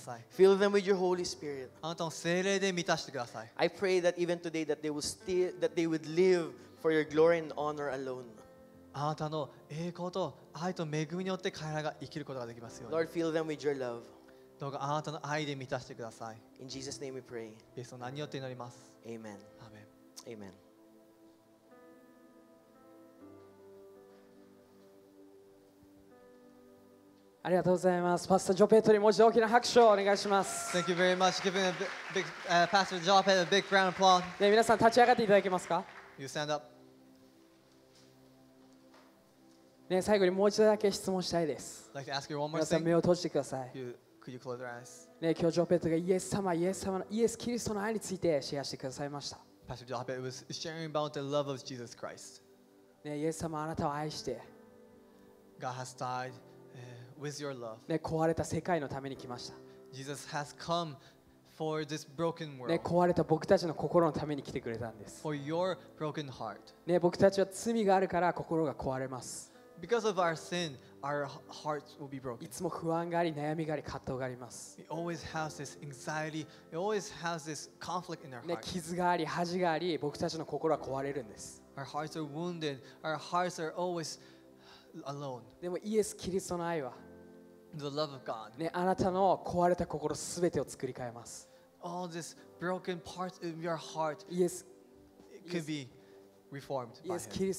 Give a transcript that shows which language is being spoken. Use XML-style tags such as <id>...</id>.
<en>Fill them with your Holy Spirit. I pray that even today that they would live. For your glory and honor alone.</en> <ja>あなたの栄光と愛と恵みによって彼らが生きることができますように。</ja> <en>Lord, fill them with your love.</en> <ja>どうかあなたの愛で満たしてください。</ja> <en>In Jesus' name we pray.</en> <ja>イエスの名によって祈ります。</ja> <en>Amen. Amen. Amen.</en> <ja>ありがとうございます。パスタジョペットにもう一度大きな拍手をお願いします。</ja> <en>Thank you very much. Giving a big Pastor Jope a big round of applause.</en> <ja>皆さん立ち上がっていただけますか。</ja> <en>You stand up.</en> <ja>ね、最後にもう一度だけ質問したいです。</ja> <en>Like、to ask you one more</en> <ja>皆さん目を閉じてください。</ja> <en>You, could you close your eyes?</en> <ja>ね、今日ジョペットがイエス様、イエス様、イエスキリストの愛についてシェアしてくださいました。</ja> <en>Pastor Jope, it was sharing about the love of Jesus Christ.</en> <ja>ね、イエス様、あなたを愛して。</ja> <en>God has died with your love.</en> <ja>ね、壊れた世界のために来ました。</ja> <en>Jesus has come for this broken world.</en> <ja>ね、壊れた僕たちの心のために来てくれたんです。</ja> <en>For your broken heart.</en> <ja>ね、僕たちは罪があるから心が壊れます。</ja> <en>Because of our sin, our hearts will be broken.</en> <ja>いつも不安があり、悩みがあり、葛藤があります。</ja> <en>We always have this anxiety. We always have this conflict in our hearts.</en> <ja>ね、傷があり、恥があり、僕たちの心は壊れるんです。</ja> <en>Our hearts are wounded. Our hearts are always alone.</en> <ja>でもイエス・キリストの愛は、</ja> <en>The love of God.</en> <ja>ね、あなたの壊れた心すべてを作り変えます。</ja> <en>All this broken parts of your heart, could be. Reformed by him.</en>